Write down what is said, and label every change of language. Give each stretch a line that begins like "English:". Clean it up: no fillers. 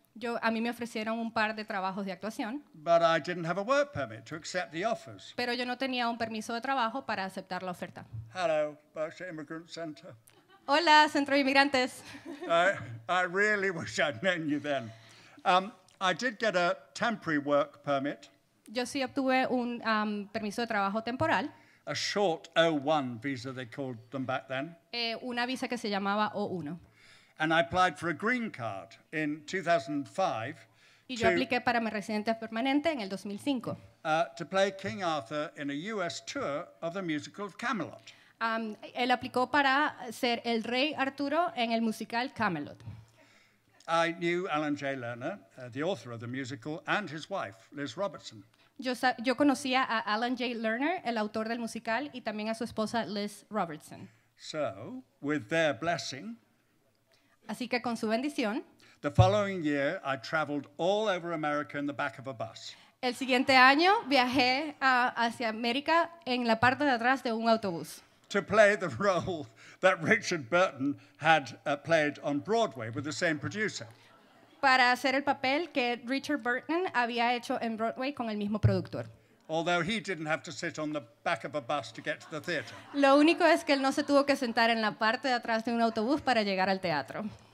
Spanish: Yo, a mí me ofrecieron un par de trabajos de actuación.
English: But I didn't have a work permit to accept the offers.
Spanish: Pero yo no tenía un permiso de trabajo para aceptar la oferta.
English: Hello, Berkshire Immigrant Center.
Spanish: Hola, Centro de Inmigrantes.
English: I really wish I'd known you then. I did get a temporary work permit.
Spanish: Yo sí obtuve un permiso de trabajo temporal.
English: A short O-1 visa, they called them back then.
Spanish: Una visa que se llamaba O-1.
English: And I applied for a green card in 2005.
Spanish: Y yo apliqué para mi residencia permanente en el 2005.
English: To play King Arthur in a U.S. tour of the musical of Camelot.
Spanish: Él aplicó para ser el rey Arturo en el musical Camelot.
English: I knew Alan J. Lerner, the author of the musical, and his wife, Liz Robertson.
Spanish: Yo conocía a Alan J. Lerner, el autor del musical, y también a su esposa, Liz Robertson.
English: So, with their blessing,
Spanish: así que con su bendición,
English: the following year, I traveled all over America in the back of a bus.
Spanish: El siguiente año, viajé hacia América en la parte de atrás de un autobús.
English: To play the role that Richard Burton had played on Broadway with the same producer.
Spanish: Para hacer el papel que Richard Burton había hecho en Broadway con el mismo productor.
English: Although he didn't have to sit on the back of a bus to get to the theater.
Spanish: Lo único es que él no se tuvo que sentar en la parte de atrás de un autobús para llegar al teatro.